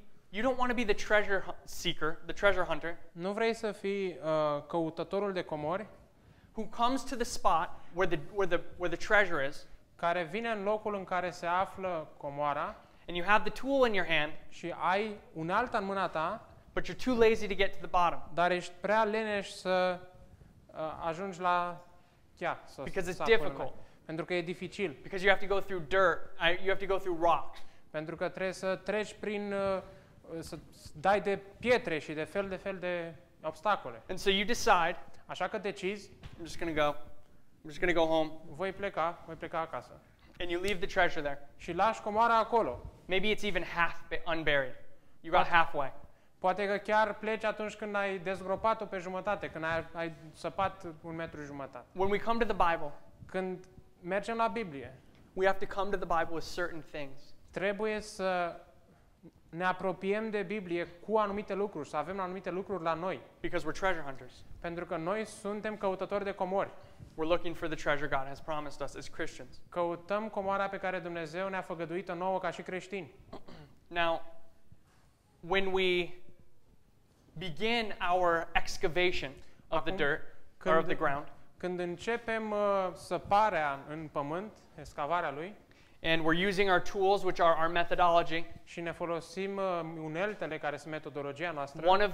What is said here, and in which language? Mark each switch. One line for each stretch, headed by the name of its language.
English: You don't want to be the treasure seeker, the treasure hunter.
Romanian: Nu vrei să fii căutătorul de comori.
English: Who comes to the spot where the treasure is?
Romanian: Care vine în locul în care se află comoara.
English: And you have the tool in your hand.
Romanian: Și ai unealta în mâna ta.
English: But you're too lazy to get to the bottom.
Romanian: Dar ești prea leneș să ajungi la chiar.
English: Because it's difficult.
Romanian: Pentru că e dificil.
English: Because you have to go through dirt. You have to go through rocks.
Romanian: Pentru că trebuie să treci prin să dai de pietre și de fel de fel de obstacole.
English: And so you decide.
Romanian: Așa că decizi.
English: I'm just gonna go. I'm just gonna go home.
Romanian: Voi pleca. Voi pleca acasă.
English: And you leave the treasure there.
Romanian: Și lași comoara acolo.
English: Maybe it's even half unburied. You got halfway.
Romanian: Poate că chiar pleci atunci când ai dezgropat-o pe jumătate, când ai săpat un metru jumătate.
English: When we come to the Bible,
Romanian: când mergem la Biblie,
English: we have to come to the Bible with certain things.
Romanian: Trebuie să ne apropiem de Biblie cu anumite lucruri, să avem anumite lucruri la noi.
English: Because we're treasure hunters.
Romanian: Pentru că noi suntem căutători de comori.
English: We're looking for the treasure God has promised us as Christians.
Romanian: Căutăm comoara pe care Dumnezeu ne-a făgăduit-o nouă ca și creștini.
English: Now, when we begin our excavation of the dirt or of the ground,
Romanian: când începem săparea în pământ, excavarea lui,
English: and we're using our tools, which are our methodology,
Romanian: și ne folosim uneltele care sunt metodologia noastră,